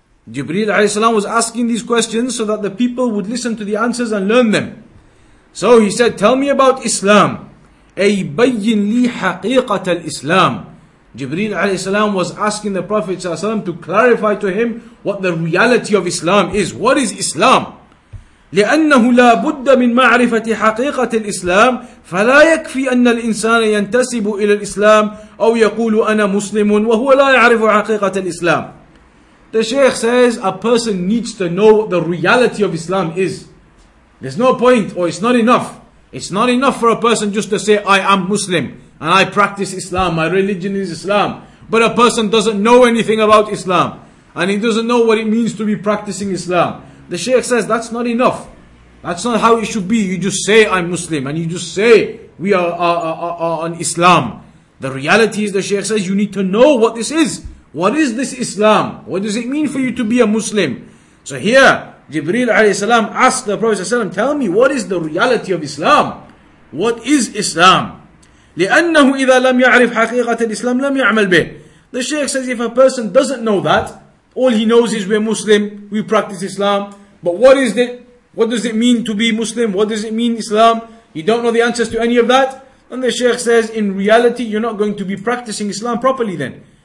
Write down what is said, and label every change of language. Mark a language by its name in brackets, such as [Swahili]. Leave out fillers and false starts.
[English] Jibreel alayhi salam was asking these questions so that the people would listen to the answers and learn them. So he said, tell me about Islam. [Arabic] أي بيّن لي حقيقة الإسلام. [English] Jibreel alayhi salam was asking the Prophet sallallahu alayhi wasallam to clarify to him what the reality of Islam is. What is Islam? [Arabic] لأنه لا بد من معرفة حقيقة الإسلام فلا يكفي أن الإنسان ينتسب إلى الإسلام أو يقول أنا مسلم وهو لا يعرف حقيقة الإسلام. [English] The Sheikh says a person needs to know what the reality of Islam is. There's no point, or it's not enough. It's not enough for a person just to say I am Muslim and I practice Islam, my religion is Islam, but a person doesn't know anything about Islam and he doesn't know what it means to be practicing Islam. The Shaykh says that's not enough. That's not how it should be. You just say I'm Muslim and you just say we are on Islam. The reality is, the Shaykh says, you need to know what this is. What is this Islam? What does it mean for you to be a Muslim? So here, Jibreel alayhi salam asked the Prophet sallallahu alayhi wasallam, tell me, what is the reality of Islam? What is Islam? [Arabic] لأنه إذا لم يعرف حقيقة الإسلام لم يعمل به. [English] The Shaykh says, if a person doesn't know that, all he knows is we're Muslim, we practice Islam, but what is it? What does it mean to be Muslim? What does it mean Islam? You don't know the answers to any of that. And the Shaykh says, in reality, you're not going to be practicing Islam properly then.